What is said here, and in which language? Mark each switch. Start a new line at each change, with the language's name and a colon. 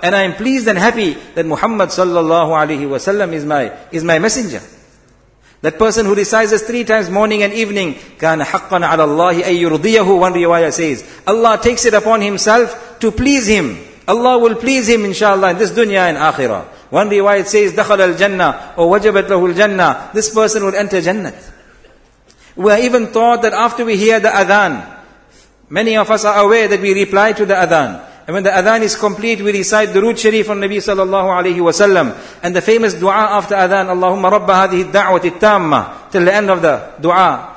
English: And I am pleased and happy that Muhammad sallallahu alayhi wa sallam is my messenger. That person who recites this three times morning and evening,
Arabic: كَانَ حَقًّا عَلَى اللَّهِ أَن يُرْضِيَهُ.
English: One riwayah says, Allah takes it upon himself to please him. Allah will please him inshallah in this dunya and akhirah. One riwayat says,
Arabic: دخل الجنة
English: or
Arabic: وجبت له الجنة.
English: This person will enter Jannah. We are even taught that after we hear the adhan, many of us are aware that we reply to the adhan. And when the adhan is complete, we recite Durood Sharif on Nabi sallallahu alayhi wa sallam. And the famous dua after adhan,
Arabic: Allahumma rabba hadhihi da'wati tamma,
English: till the end of the dua.